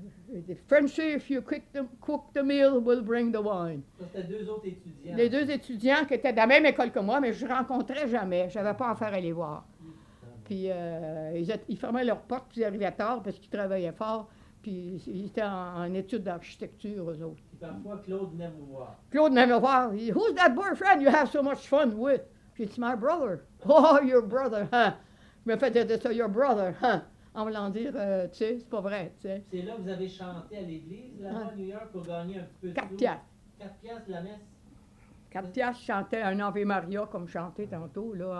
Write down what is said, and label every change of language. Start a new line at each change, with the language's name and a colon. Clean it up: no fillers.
English: The Frenchie, if you cook the meal, will bring the wine.
French: Ça, c'était deux autres étudiants. Les deux étudiants qui étaient de la même école que moi, mais je ne rencontrais jamais. Je n'avais pas affaire à les voir. Puis ils fermaient leurs portes, puis ils arrivaient tard parce qu'ils travaillaient fort. Puis ils étaient en études d'architecture, eux autres. Et parfois, Claude venait me voir. Claude venait me voir.
English: He dit, who's that boyfriend you have so much fun with? Puis it's my brother. Oh, your brother, huh?
French: Je me fais dire ça,
English: your brother, huh?
French: En voulant dire, tu sais, c'est pas vrai, tu sais. C'est là que vous avez chanté à l'église, là-bas, à New York, pour gagner un peu de 4 piastres. 4 piastres, la messe. 4 piastres, je chantais un Ave Maria, comme je chantais tantôt, là.